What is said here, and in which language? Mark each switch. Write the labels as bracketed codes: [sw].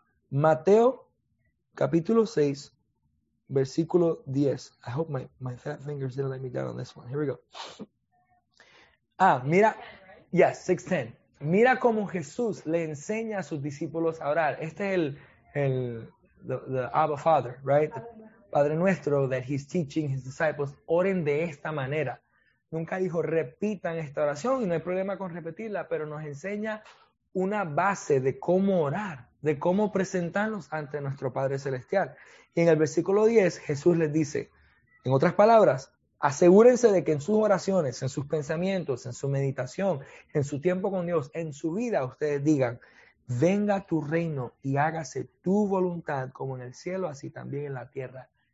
[es] Mateo capítulo 6, versículo 10. [en] I hope my fat fingers didn't let me down on this one. Here we go. Ah, mira, yes, 6:10. [es] Mira cómo Jesús le enseña a sus discípulos a orar. Este es [en] the Abba Father, right? The Padre nuestro, that he's teaching his disciples, [es] oren de esta manera. Nunca dijo repitan esta oración y no hay problema con repetirla, pero nos enseña una base de cómo orar, de cómo presentarnos ante nuestro Padre Celestial. Y en el versículo 10, Jesús les dice, en otras palabras, asegúrense de que en sus oraciones, en sus pensamientos, en su meditación, en su tiempo con Dios, en su vida, ustedes digan, venga tu reino y hágase tu voluntad como en el cielo, así también en la tierra.